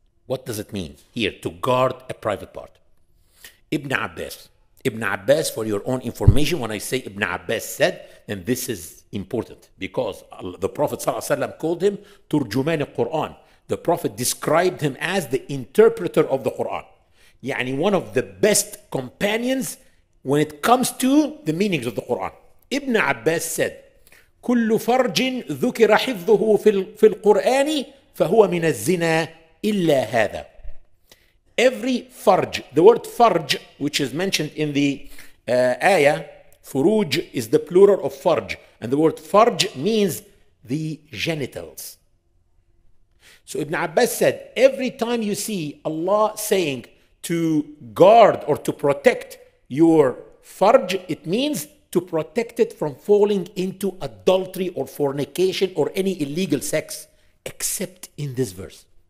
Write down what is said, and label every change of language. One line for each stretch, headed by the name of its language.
English: What does it mean here to guard a private part? Ibn Abbas, for your own information, when I say Ibn Abbas said, then this is important because the Prophet ﷺ called him Turjuman al-Quran. The Prophet described him as the interpreter of the Quran. Yani one of the best companions when it comes to the meanings of the Quran. Ibn Abbas said,
Arabic: كل فرج ذكر حفظه في القرآن فهو من الزنا illa hadha.
English: Every farj, the word farj, which is mentioned in the ayah, furuj is the plural of farj. And the word farj means the genitals. So Ibn Abbas said, every time you see Allah saying to guard or to protect your farj, it means to protect it from falling into adultery or fornication or any illegal sex, except in this verse.